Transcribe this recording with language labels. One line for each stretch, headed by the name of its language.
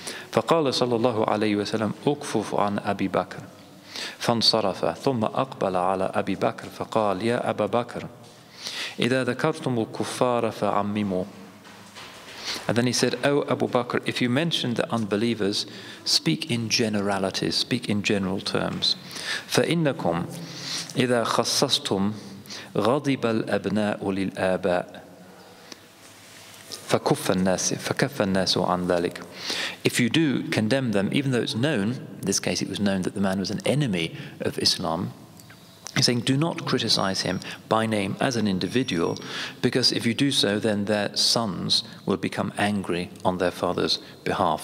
Arabic: فَقَالَ صَلَى اللَّهُ عَلَيْهِ وَسَلَمْ أُكْفُفُ عَنْ أَبِي بَكَرْ. فانصرف ثم أقبل على أبي بكر فقال يا أبا بكر إذا ذكرتم الكفار فعمموا.
English: And then he said, oh Abu Bakr, if you mention the unbelievers, speak in generalities, speak in general terms.
Arabic: فإنكم إذا خصصتم غضب الأبناء للآباء فكف الناس عن ذلك.
English: If you do condemn them, even though it's known, in this case it was known that the man was an enemy of Islam, he's saying do not criticize him by name as an individual, because if you do so, then their sons will become angry on their father's behalf.